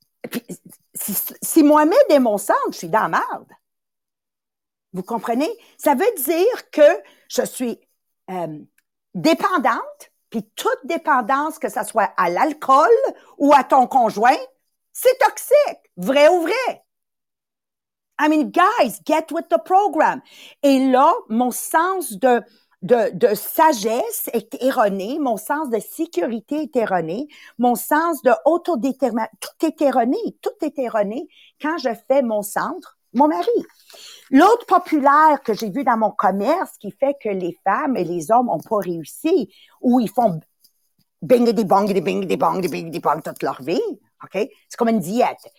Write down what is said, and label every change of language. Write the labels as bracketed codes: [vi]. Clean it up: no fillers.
[fr] Puis, si Mohamed est mon centre, je suis dans la merde. Vous comprenez? Ça veut dire que je suis dépendante, puis toute dépendance, que ça soit à l'alcool ou à ton conjoint, c'est toxique, vrai ou vrai. [en] I mean, guys, get with the program. [fr] Et là, mon sens de sagesse est erroné, mon sens de sécurité est erroné, mon sens de autodétermination, tout est erroné quand je fais mon centre, mon mari. L'autre populaire que j'ai vu dans mon commerce qui fait que les femmes et les hommes ont pas réussi ou ils font bingedi bongedi bingedi bongedi bingedi bong toute leur vie, ok? C'est comme une diète.